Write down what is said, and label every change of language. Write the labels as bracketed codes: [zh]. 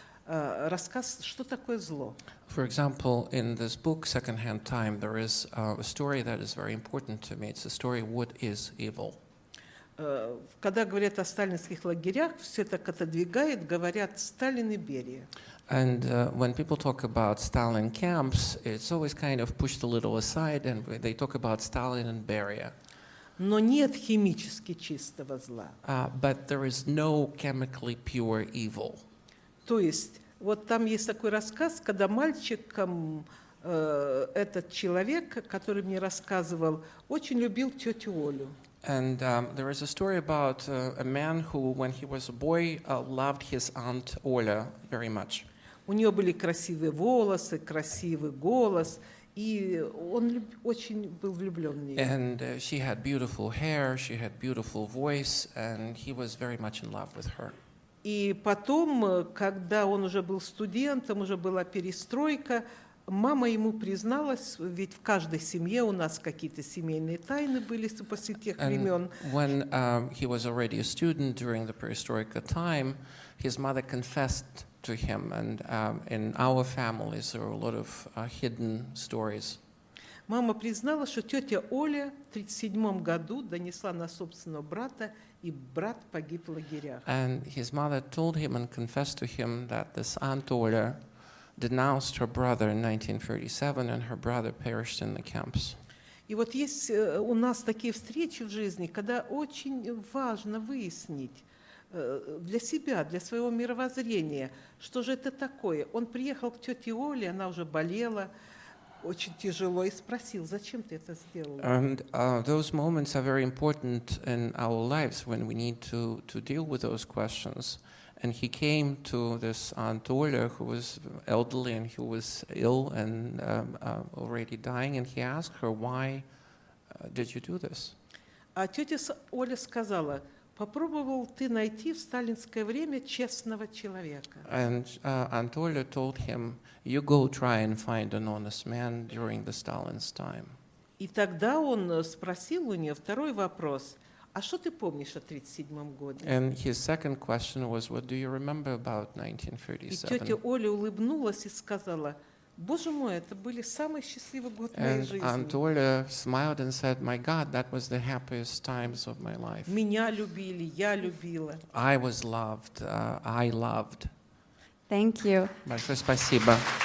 [ru] Рассказ, что такое зло. [en] For example, in this book, Secondhand Time, there is a story that is very important to me. It's the story, what is evil? [ru] Когда говорят о сталинских лагерях, все так отодвигает, говорят «Сталин и Берия». [en] And when people talk about Stalin camps, it's always kind of pushed a little aside, and they talk about Stalin and Beria. [ru] Но нет химически чистого зла. [en] But there is no chemically pure evil. [ru] То есть, вот там есть такой рассказ, когда мальчиком этот человек, который мне рассказывал, очень любил тетю Олю. [en] And there is a story about a man who, when he was a boy, loved his aunt Olya very much. [ru] У нее были красивые волосы, красивый голос, и он очень был влюблен в нее. [en] And she had beautiful hair, she had beautiful voice, and he was very much in love with her. [ru] И потом, когда он уже был студентом, уже была перестройка, мама ему призналась, ведь в каждой семье у нас какие-то семейные тайны были после тех времен. [en] When he was already a student during the perestroika time, his mother confessed to him, and in our families there are a lot of hidden stories. [ru] Мама признала, что тетя Оля в 37 году донесла на собственного брата, и брат погиб в лагерях. [en] And his mother told him and confessed to him that this aunt Оля denounced her brother in 1937, and her brother perished in the camps. [ru] И вот есть у нас такие встречи в жизни, когда очень важно выяснить для себя, для своего мировоззрения, что же это такое. Он приехал к тете Оле, она уже болела очень тяжело, и спросил, зачем ты это сделал? [en] And those moments are very important in our lives when we need to deal with those questions. And he came to this aunt Olya, who was elderly and who was ill and already dying, and he asked her, why did you do this? [ru] А тетя Оля сказала, попробовал ты найти в сталинское время честного человека. [en] And aunt Olya told him, you go try and find an honest man during the Stalin's time. [ru] И тогда он спросил у нее второй вопрос, а что ты помнишь о 37-м году? [en] And his second question was, what do you remember about 1937? [ru] И тетя Оля улыбнулась и сказала, Боже мой, это были самые счастливые годы моей [en] and [ru] жизни. [en] Aunt Olya smiled and said, my God, that was the happiest times of my life. [ru] Меня любили, я любила. [en] I was loved, I loved. Thank you. [ru] Большое спасибо.